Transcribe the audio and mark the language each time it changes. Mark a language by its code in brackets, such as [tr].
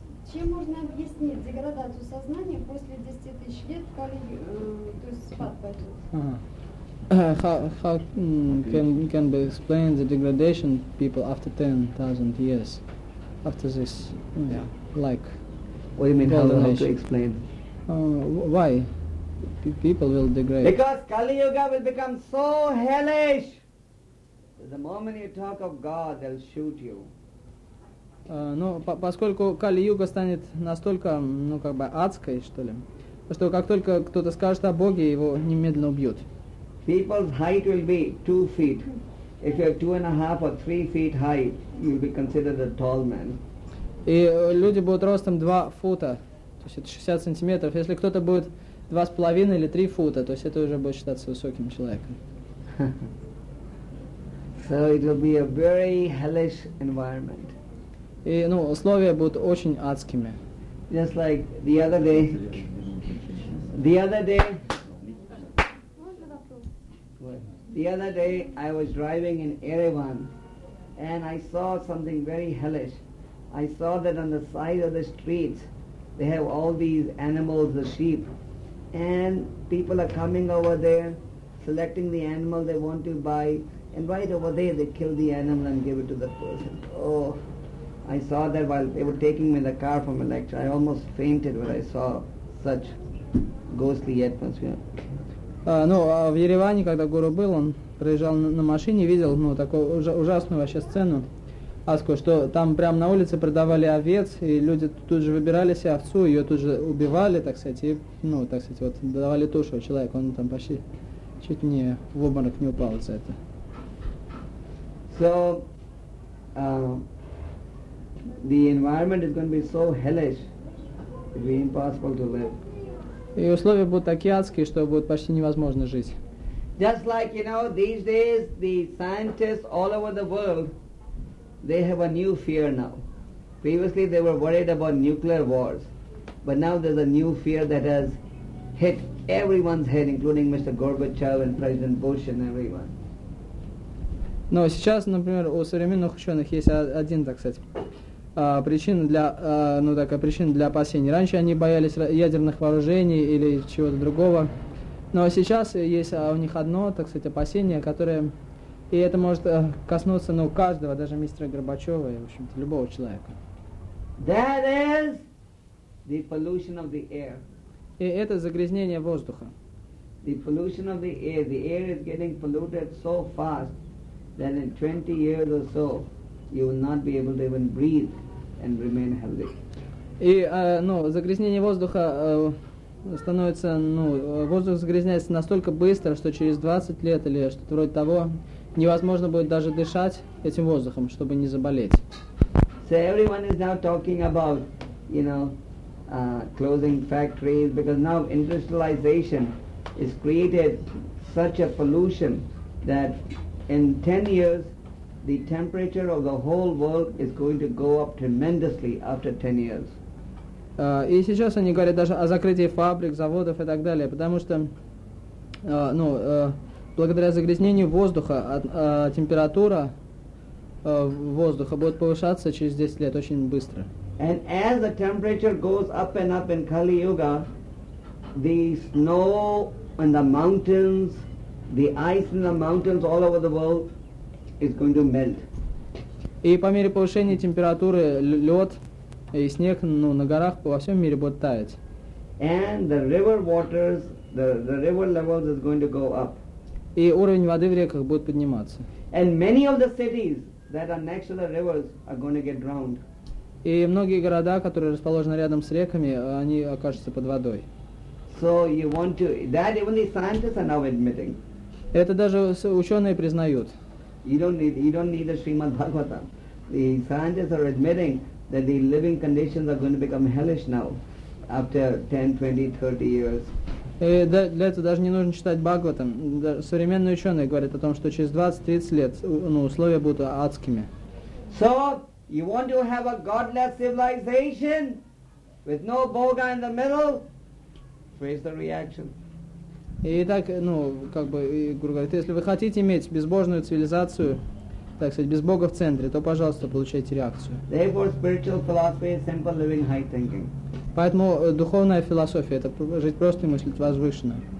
[ru] Чем можно объяснить деградацию сознания после 10 тысяч лет калии, то есть спад пойдет? [en] How can be explained the degradation people after 10,000 years, after this, like? What do you mean, how to explain? Why? People will degrade. Because Kali Yuga will become so hellish! The moment you talk of God, they'll shoot you. [ru] Поскольку Кали-Юга станет настолько, адской, что ли, что как только кто-то скажет о Боге, его немедленно убьют. [en] People's height will be 2 feet. If you're 2.5 or 3 feet high, you'll be considered a tall man. [ru] И люди будут ростом 2 фута, то есть это 60 сантиметров. Если кто-то будет 2,5 или 3 фута, то есть это уже будет считаться высоким человеком. [en] So it will be a very hellish environment. [ru] И, ну, условия будут очень адскими. [en] Just like the other day. The other day I was driving in Erevan and I saw something very hellish. I saw that on the side of the streets they have all these animals, the sheep, and people are coming over there selecting the animal they want to buy, and right over there they kill the animal and give it to the person. Oh, I saw that while they were taking me in the car from a lecture. I almost fainted when I saw such ghostly atmosphere. [ru] В Ереване, когда Гуру был, он проезжал на машине, видел, ну, такую ужасную вообще сцену, адскую, что там прямо на улице продавали овец, и люди тут же выбирали себе овцу, ее тут же убивали, так сказать, и, ну, так сказать, вот, давали тушу человеку, он там почти чуть не в обморок не упал из-за этого. [en] So, the environment is going to be so hellish, it will be impossible to live. [ru] И условия будут такие адские, что будет почти невозможно жить. [en] Just like, you know, these days the scientists all over the world, they have a new fear now. Previously they were worried about nuclear wars, but now there's a new fear that has hit everyone's head, including Mr. Gorbachev and President Bush and everyone. [ru] Но сейчас, например, у современных ученых есть один, так сказать, причина для опасений. Раньше они боялись ядерных вооружений или чего-то другого. Но сейчас есть у них одно, так сказать, опасение, которое... И это может коснуться, ну, каждого, даже мистера Горбачева и, в общем-то, любого человека. [en] That is the pollution of the air. [ru] И это загрязнение воздуха. [en] The pollution of the air. The air is getting polluted so fast that in 20 years or so you will not be able to even breathe and remain healthy. [ru] И, ну, загрязнение воздуха становится, ну, воздух загрязняется настолько быстро, что через 20 лет или что-то вроде того невозможно будет даже дышать этим воздухом, чтобы не заболеть. [en] So everyone is now talking about, you know, closing factories, because now industrialization has created such a pollution that in 10 years the temperature of the whole world is going to go up tremendously after 10 years. [ru] И сейчас они говорят даже о закрытии фабрик, заводов и так далее, потому что, ну, благодаря загрязнению воздуха, температура воздуха будет повышаться через 10 лет очень быстро. [en] And as the temperature goes up and up in Kali Yuga, the snow in the mountains, the ice in the mountains all over the world is going to melt. [ru] И по мере повышения температуры лед и снег, ну, на горах во всем мире будут таять. [en] And the river waters, the river levels is going to go up. [ru] И уровень воды в реках будет подниматься. [en] And many of the cities that are next to the rivers are going to get drowned. [ru] И многие города, которые расположены рядом с реками, они окажутся под водой. [en] So you want to, that even the scientists are now admitting. [ru] Это даже ученые признают. [en] You don't need the Srimad Bhagavatam. The scientists are admitting that the living conditions are going to become hellish now after 10, 20, 30 years. [ru] Для этого даже не нужно читать Бхагаватам. Современные ученые говорят о том, что через 20-30 лет, ну, условия будут адскими. [en] So, you want to have a godless civilization with no [ru] boga [en] in the middle? Face the reaction. [ru] И так, ну, как бы, Гуру говорит, если вы хотите иметь безбожную цивилизацию, так сказать, без Бога в центре, то, пожалуйста, получайте реакцию. [en] Therefore, spiritual philosophy is simple living, high thinking. [ru] Поэтому духовная философия – это жить просто и мыслить возвышенно.